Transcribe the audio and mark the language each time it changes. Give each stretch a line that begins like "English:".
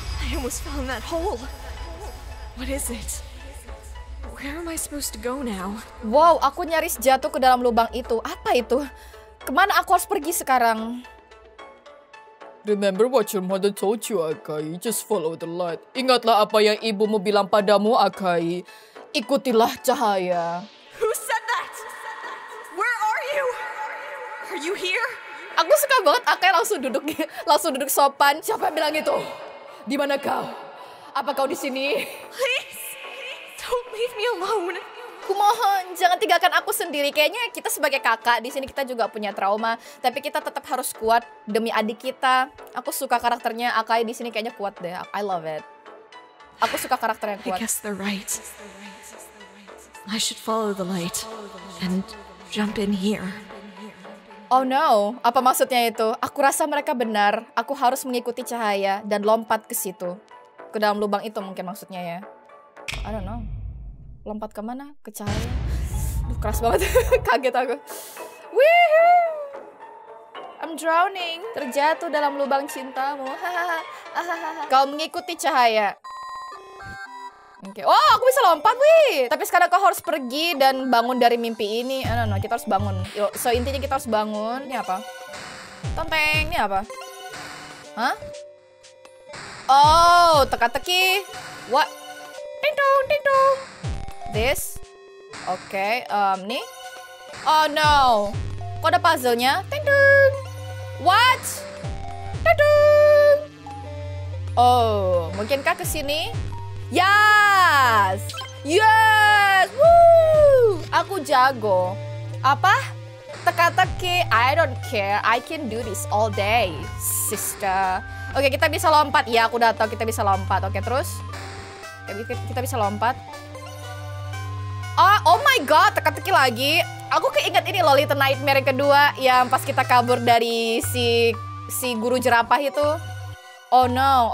English: I almost fell in that hole. What is it? Where am I supposed to go now?
Indonesian: Wow, aku nyaris jatuh ke dalam lubang itu. Apa itu? Kemana aku harus pergi sekarang?
English: Remember what your mother told you, Akai. Just follow the light.
Indonesian: Ingatlah apa yang ibumu bilang padamu, Akai. Ikutilah cahaya.
English: Who said that? Where are you? Are you here?
Indonesian: Aku suka banget Akai langsung duduk sopan. Siapa yang bilang itu? Di mana kau? Apa kau di sini?
English: Please, don't leave me alone.
Indonesian: Kumohon, jangan tinggalkan aku sendiri. Kayaknya kita sebagai kakak di sini kita juga punya trauma, tapi kita tetap harus kuat demi adik kita. Aku suka karakternya Akai di sini, kayaknya kuat deh.
English: I love it.
Indonesian: Aku suka karakter yang kuat.
English: I guess they're right. I should follow the light and jump in here.
Indonesian: Oh no, apa maksudnya itu? Aku rasa mereka benar. Aku harus mengikuti cahaya dan lompat ke situ. Ke dalam lubang itu mungkin maksudnya ya.
English: I don't know.
Indonesian: Lompat ke mana? Ke cahaya. Duh, keras banget. Kaget aku. Woohoo!
English: I'm drowning.
Indonesian: Terjatuh dalam lubang cintamu. Kau mengikuti cahaya. Oke. Okay. Oh, aku bisa lompat, wih. Tapi sekarang kau harus pergi dan bangun dari mimpi ini.
English: I don't know,
Indonesian: kita harus bangun. Yo, so intinya kita harus bangun. Ini apa? Tonteng, ini apa? Hah? Oh, teka-teki. What? Ding-dong, ding-dong. This. Oke, okay. Nih. Oh no. Kok ada puzzle-nya? Ding-dong. What? Ding-dong. Oh, mungkinkah ke sini? Yes! Yes! Woo! Aku jago. Apa? Teka-teki.
English: I don't care. I can do this all day, sister.
Indonesian: Oke, kita bisa lompat. Ya, aku udah tahu kita bisa lompat. Oke, terus. Kita bisa lompat. Oh my god, teka-teki lagi. Aku keinget ini Lolita Nightmare kedua yang pas kita kabur dari si guru jerapah itu. Oh no.